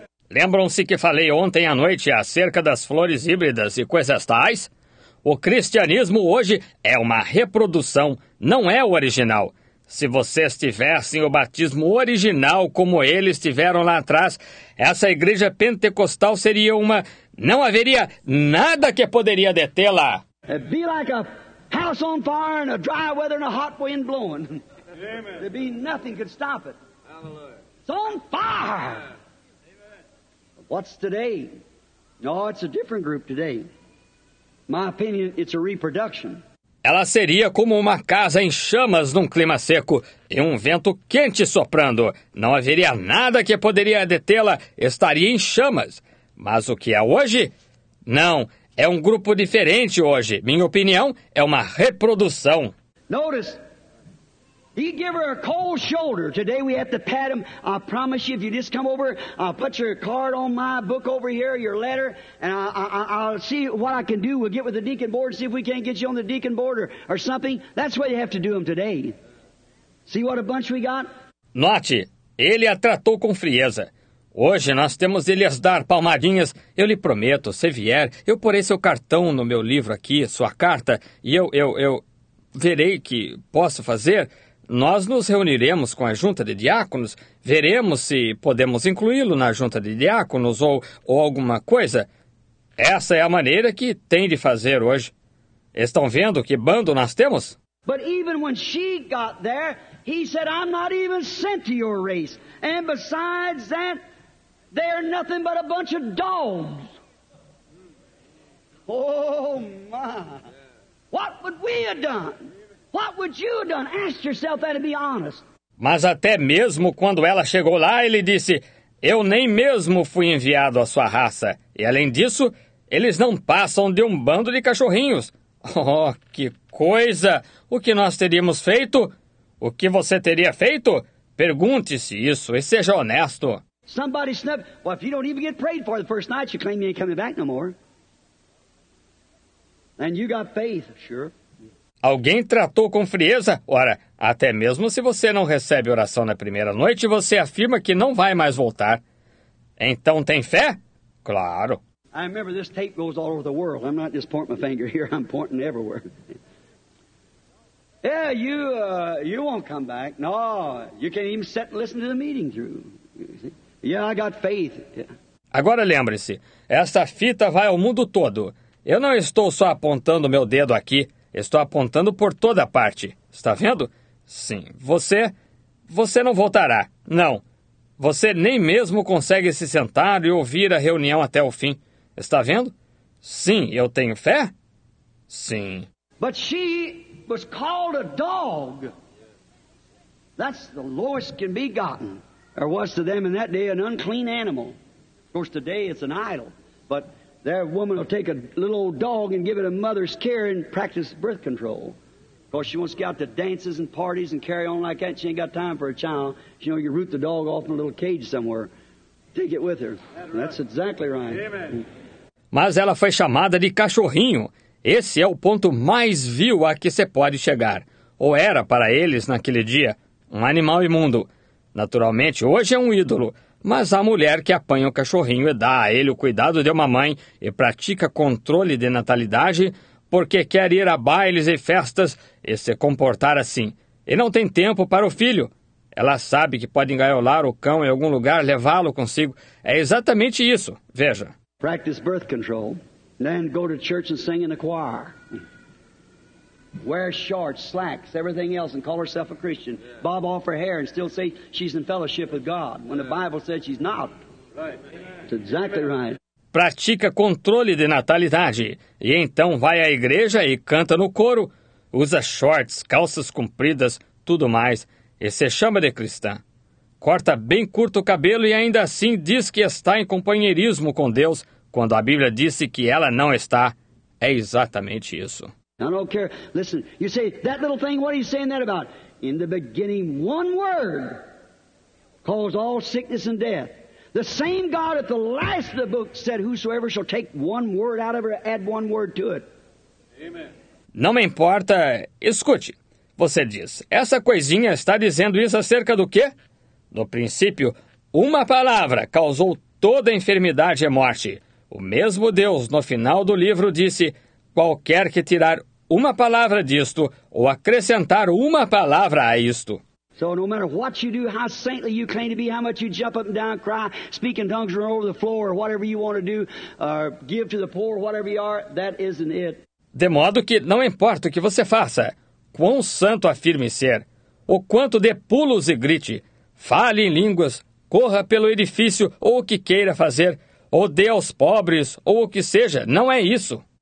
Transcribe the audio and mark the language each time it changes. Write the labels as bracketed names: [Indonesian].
[Portuguese] Lembram-se que falei ontem à noite acerca das flores híbridas e coisas tais? O cristianismo hoje é uma reprodução, não é o original. Se vocês tivessem o batismo original como eles tiveram lá atrás, essa igreja pentecostal seria uma... Não haveria nada que poderia detê-la. [English] It'd be like a house on fire and a dry weather and a hot wind blowing. Amen. There'd be nothing could stop it. Hallelujah. It's on fire. Amen. What's today? No, it's a different group today. My opinion, it's a reproduction. [Portuguese] Ela seria como uma casa em chamas num clima seco e um vento quente soprando. Não haveria nada que poderia detê-la, estaria em chamas. Mas o que é hoje? Não, é um grupo diferente hoje. Minha opinião é uma reprodução. [English] Notice, he gave her a cold shoulder. Today we have to pat him. I promise you, if you just come over, I'll put your card on my book over here, your letter, and I'll see what I can do. We'll get with the deacon board and see if we can't get you on the deacon board or something. That's what you have to do him today. See what a bunch we got? [Portuguese] Note, ele a tratou com frieza. Hoje nós temos de lhes dar palmadinhas. Eu lhe prometo, se vier, eu porei seu cartão no meu livro aqui, sua carta, e eu verei o que posso fazer. Nós nos reuniremos com a junta de diáconos, veremos se podemos incluí-lo na junta de diáconos ou alguma coisa. Essa é a maneira que tem de fazer hoje. Estão vendo que bando nós temos? [English] But even when she got there, he said, I'm not even sent to your race. And besides that, they're nothing but a bunch of dogs. Oh, my. What would we have done? What would you have done? Ask yourself that and be honest. [Portuguese] Mas até mesmo quando ela chegou lá, ele disse, eu nem mesmo fui enviado à sua raça. E além disso, eles não passam de um bando de cachorrinhos. Oh, que coisa! O que nós teríamos feito? O que você teria feito? Pergunte-se isso e seja honesto. [English] Somebody snuck. Well, if you don't even get prayed for the first night, you claim you ain't coming back no more. And you got faith, sure. [Portuguese] Alguém tratou com frieza? Ora, até mesmo se você não recebe oração na primeira noite, você afirma que não vai mais voltar. Então tem fé? Claro. [English] I remember this tape goes all over the world. I'm not just pointing my finger here, I'm pointing everywhere. Yeah, you won't come back. No, you can't even sit and listen to the meeting through. Yeah, I got faith. [Portuguese] Agora lembre-se, esta fita vai ao mundo todo. Eu não estou só apontando meu dedo aqui, estou apontando por toda a parte. Está vendo? Sim, você não voltará. Não, você nem mesmo consegue se sentar e ouvir a reunião até o fim. Está vendo? Sim, eu tenho fé? Sim. [English] But she was called a dog. That's the lowest can be gotten. There was to them in that day an unclean animal. Of course, today it's an idol. But their woman will take a little old dog and give it a mother's care and practice birth control. Of course, she wants to get out to dances and parties and carry on like that. She ain't got time for a child. You know, you root the dog off in a little cage somewhere. Take it with her. That's exactly right. Amen. [Portuguese] Mas ela foi chamada de cachorrinho. Esse é o ponto mais vil a que se pode chegar. Ou era para eles naquele dia, um animal imundo. Naturalmente, hoje é um ídolo, mas a mulher que apanha o cachorrinho e dá a ele o cuidado de uma mãe e pratica controle de natalidade porque quer ir a bailes e festas e se comportar assim. E não tem tempo para o filho. Ela sabe que pode engaiolar o cão em algum lugar, levá-lo consigo. É exatamente isso. Veja. [English] Practice birth control, then go to church and sing in the choir. Wear shorts, slacks, everything else, and call herself a Christian. Yeah. Bob off her hair and still say she's in fellowship with God, when the Bible says she's not. Right. It's exactly right. [Portuguese] Pratica controle de natalidade, e então vai à igreja e canta no coro. Usa shorts, calças compridas, tudo mais, e se chama de cristã. Corta bem curto o cabelo e ainda assim diz que está em companheirismo com Deus, quando a Bíblia disse que ela não está. É exatamente isso. [English] I don't care. Listen, you say, that little thing, what are you saying that about? In the beginning, one word caused all sickness and death. The same God at the last of the book said, whosoever shall take one word out of her, add one word to it. Amen. [Portuguese] Não me importa. Escute. Você diz, essa coisinha está dizendo isso acerca do quê? No princípio, uma palavra causou toda a enfermidade e morte. O mesmo Deus, no final do livro, disse, qualquer que tirar uma palavra disto ou acrescentar uma palavra a isto. [English] So no matter what you do, how saintly you claim to be, how much you jump up and down, cry, speak in tongues, run over the floor, whatever you want to do, give to the poor, whatever you are, that isn't it. [Portuguese] De modo que não importa o que você faça, quão santo afirme ser, o quanto dê pulos e grite, fale em línguas, corra pelo edifício ou o que queira fazer, ou dê aos pobres ou o que seja, não é isso.